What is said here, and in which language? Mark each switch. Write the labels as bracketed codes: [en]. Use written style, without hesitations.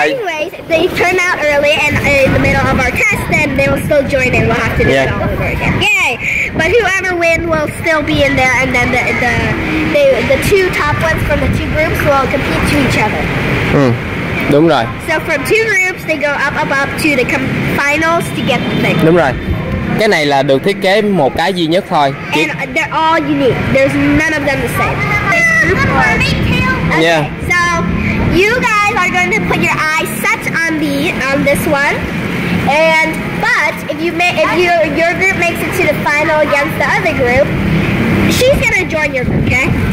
[en] Anyways, they turn out early and in the middle of our test, then they will still join in. We'll have to do it all over again. Yay! But whoever wins will still be in there, and then the two top ones from the two groups will compete to each other. [vi] Đúng rồi. [en] So from two groups they go up to the finals to get the thing. [vi] Đúng rồi. Cái này là được thiết kế một cái duy nhất thôi. [en] And they're all unique. There's none of them the same. Okay. Yeah. So you guys are going to put your eyes set on this one. And but if your group makes it to the final against the other group, she's gonna join your group, okay?